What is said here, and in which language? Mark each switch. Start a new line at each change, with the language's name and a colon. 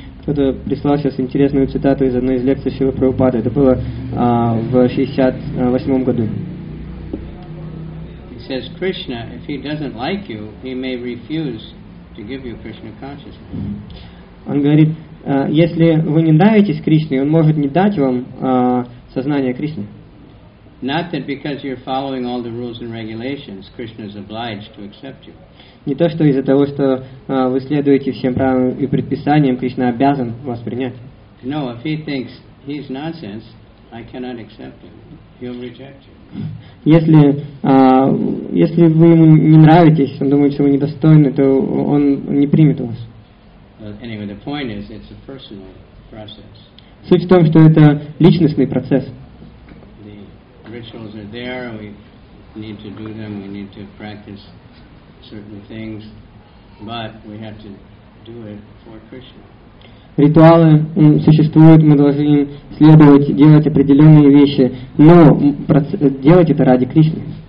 Russian: Кто-то прислал сейчас интересную цитату из одной из лекций Шрилы Прабхупады. Это было в 68 году.
English: He says, Krishna, if he doesn't like you, he may refuse to give you Krishna consciousness.
Russian: Он говорит, если вы не нравитесь Кришне, он может не дать вам сознание Кришны.
English: Not that because you're following all the rules and regulations, Krishna is obliged to accept you.
Russian: Не то, что из-за того, что вы следуете всем правилам и предписаниям, Кришна обязан вас принять.
English: No, if he thinks he's nonsense, I cannot accept him. He'll reject you.
Russian: Если вы ему не нравитесь, он думает, что вы недостойны, то он не примет вас.
English: Anyway, the point is, it's a personal process.
Russian: Суть в том, что это личностный процесс.
English: The rituals are there, we need to do them, we need to practice certain things, but we have to do it for Krishna.
Russian: Ритуалы существуют, мы должны им следовать, делать определенные вещи, но делать это ради Кришны.